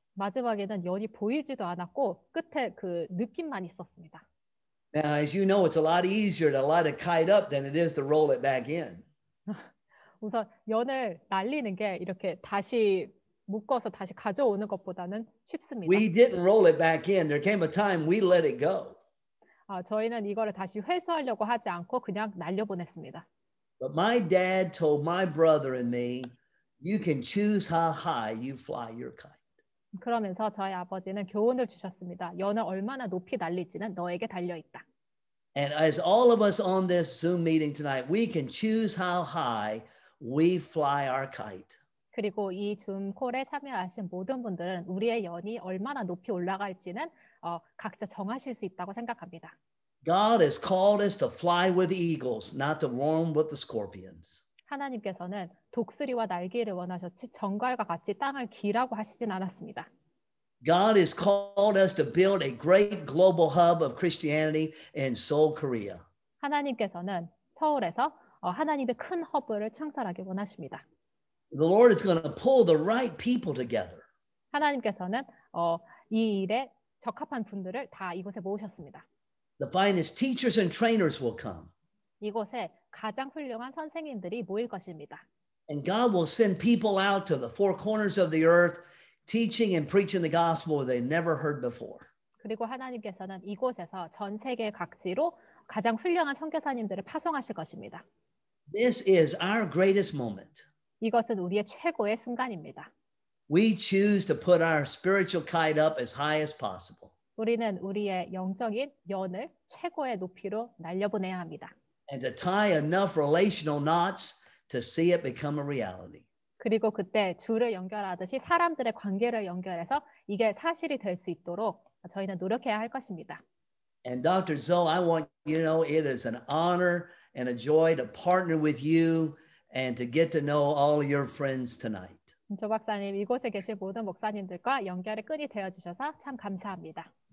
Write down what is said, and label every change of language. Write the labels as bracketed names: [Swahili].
[Korean] 마지막에는 연이 보이지도 않았고 끝에 그 느낌만 있었습니다. [English] Now, as you know, it's a lot easier to light a kite up than it is to roll it back in. [Korean] 우선 연을 날리는 게 이렇게 다시 묶어서 다시 가져오는 것보다는 쉽습니다. [English] We didn't roll it back in. There came a time we let it go. [Korean] 저희는 이거를 다시 회수하려고 하지 않고 그냥 날려보냈습니다. [English] But my dad told my brother and me, "You can choose how high you fly your kite." [Korean] 그러면서 저희 아버지는 교훈을 주셨습니다. 연을 얼마나 높이 날릴지는 너에게 달려 있다. [English] And as all of us on this Zoom meeting tonight, we can choose how high we fly our kite. [Korean] 그리고 이 줌 콜에 참여하신 모든 분들은 우리의 연이 얼마나 높이 올라갈지는 각자 정하실 수 있다고 생각합니다. [English] God has called us to fly with the eagles, not to roam with the scorpions. [Korean] 하나님께서는 독수리와 날개를 원하셨지 전갈과 같이 땅을 기라고 하시진 않았습니다. [English] God has called us to build a great global hub of Christianity in Seoul, Korea. [Korean] 하나님께서는 서울에서 하나님의 큰 허브를 창설하기 원하십니다. [English] The Lord is going to pull the right people together. [Korean] 하나님께서는 이 일에 적합한 분들을 다 이곳에 모으셨습니다. [English] The finest teachers and trainers will come. [Korean] 이곳에 가장 훌륭한 선생님들이 모일 것입니다. [English] And God will send people out to the four corners of the earth, teaching and preaching the gospel they never heard before. [Korean] 그리고 하나님께서는 이곳에서 전 세계 각지로 가장 훌륭한 선교사님들을 파송하실 것입니다. [English] This is our greatest moment. [Korean] 이것은 우리의 최고의 순간입니다. [English] We choose to put our spiritual kite up as high as possible. [Korean] 우리는 우리의 영적인 연을 최고의 높이로 날려보내야 합니다. [English] And to tie enough relational knots to see it become a reality. [Korean] 그리고 그때 줄을 연결하듯이 사람들의 관계를 연결해서 이게 사실이 될 수 있도록 저희는 노력해야 할 것입니다. [English] And Dr. Zoe, I want you to know it is an honor and a joy to partner with you and to get to know all your friends tonight. [Korean] 조 박사님, 이곳에 계신 모든 목사님들과 연결의 끈이 되어 주셔서 참 감사합니다.